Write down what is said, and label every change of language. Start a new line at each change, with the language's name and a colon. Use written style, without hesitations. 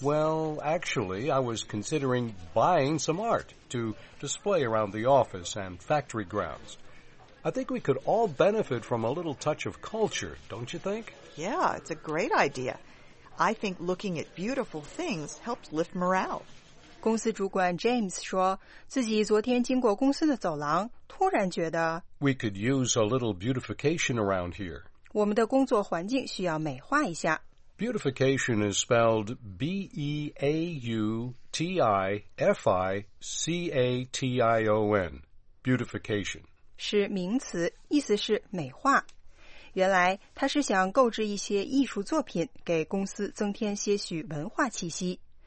English: Well, actually, I was considering buying some art to display around the office and factory grounds. I think we could all benefit from a little touch of culture, don't you think? Yeah, it's a great idea. I think looking at beautiful things helps lift morale.
Chinese: 公司主管 James 说自己昨天经过公司的走廊突然觉得
English: We could use a little beautification around here.
Chinese: 我们的工作环境需要美化一下。
English: Beautification is spelled B-E-A-U-T-I-F-I-C-A-T-I-O-N. Beautification.
Chinese: 是名词，意思是美化。原来他是想购置一些艺术作品给公司增添些许文化气息。